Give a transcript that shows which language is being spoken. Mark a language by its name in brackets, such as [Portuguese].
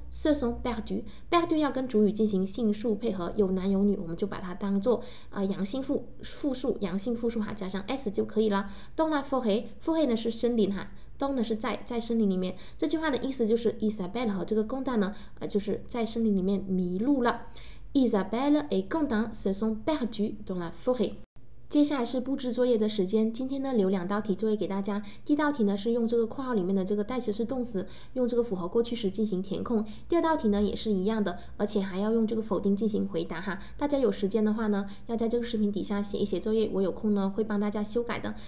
[French] Se sont perdus， [Chinese] perdus 要跟主语进行性数配合，有男有女，我们就把它当作阳性复数，阳性复数哈，加上 s 就可以了。 [French] Dans la forêt， [Chinese] forêt 呢是森林哈， dans 呢是在森林里面。这句话的意思就是 Isabelle 和这个 Quentin 呢就是在森林里面迷路了。 [French] Isabelle et Quentin se sont perdus dans la forêt。 [Chinese] 接下来是布置作业的时间，今天呢留两道题作业给大家。第一道题呢是用这个括号里面的这个代词是动词，用这个符合过去时进行填空。第二道题呢也是一样的，而且还要用这个否定进行回答哈。大家有时间的话呢，要在这个视频底下写一写作业，我有空呢会帮大家修改的。